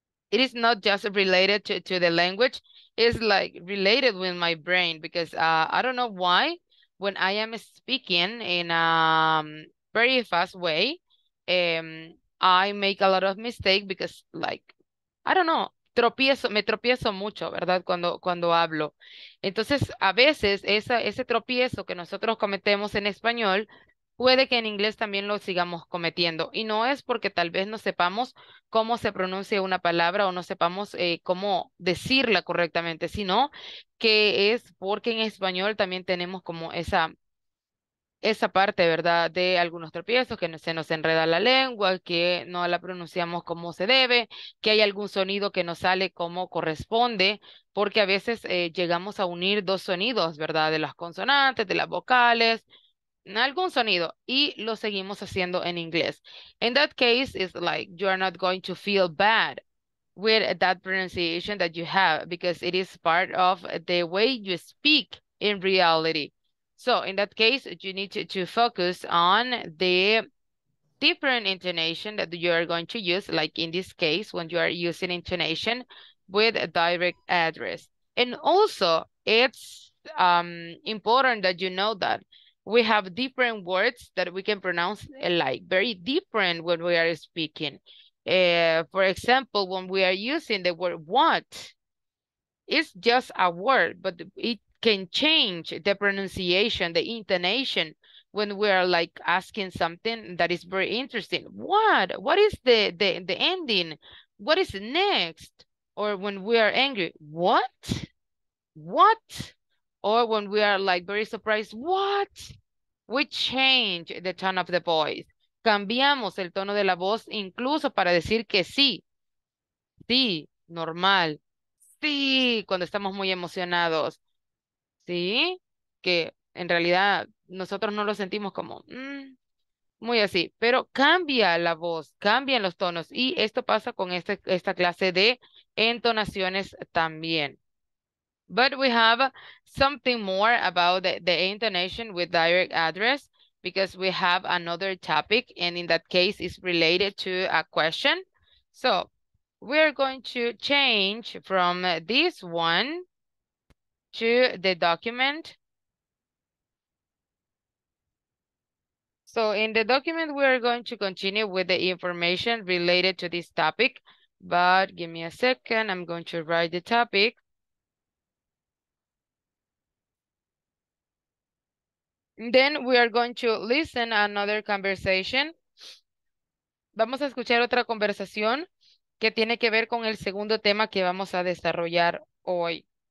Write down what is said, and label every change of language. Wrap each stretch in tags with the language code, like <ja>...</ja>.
<en>It is not just related to the language, it's like related with my brain, because I don't know why, when I am speaking in a very fast way, I make a lot of mistakes because like, I don't know,</en> <es>me tropiezo mucho, ¿verdad? Cuando hablo. Entonces, a veces, ese tropiezo que nosotros cometemos en español, puede que en inglés también lo sigamos cometiendo. Y no es porque tal vez no sepamos cómo se pronuncia una palabra o no sepamos cómo decirla correctamente, sino que es porque en español también tenemos como esa parte, ¿verdad? De algunos tropiezos, que se nos enreda la lengua, que no la pronunciamos como se debe, que hay algún sonido que no sale como corresponde, porque a veces llegamos a unir dos sonidos, ¿verdad? De las consonantes, de las vocales, algún sonido, y lo seguimos haciendo en inglés.</es> <en>In that case, it's like you are not going to feel bad with that pronunciation that you have, because it is part of the way you speak in reality. So in that case, you need to focus on the different intonation that you are going to use, like in this case, when you are using intonation with a direct address. And also, it's important that you know that we have different words that we can pronounce like very different when we are speaking. For example, when we are using the word what, it's just a word, but it can change the pronunciation, the intonation, when we are like asking something that is very interesting. What? What is the ending? What is next? Or when we are angry, what? What? Or when we are like very surprised, what? We change the tone of the voice.</en> <es>Cambiamos el tono de la voz incluso para decir que sí. Sí, normal. Sí, cuando estamos muy emocionados. Sí, que en realidad nosotros no lo sentimos como muy así, pero cambia la voz, cambian los tonos y esto pasa con esta clase de entonaciones también.</es> <en>But we have something more about the intonation with direct address because we have another topic and in that case it's related to a question. So we're going to change from this one to the document. So in the document, we are going to continue with the information related to this topic, but give me a second. I'm going to write the topic. Then we are going to listen another conversation.</en> <es>Vamos a escuchar otra conversación que tiene que ver con el segundo tema que vamos a desarrollar hoy.</es>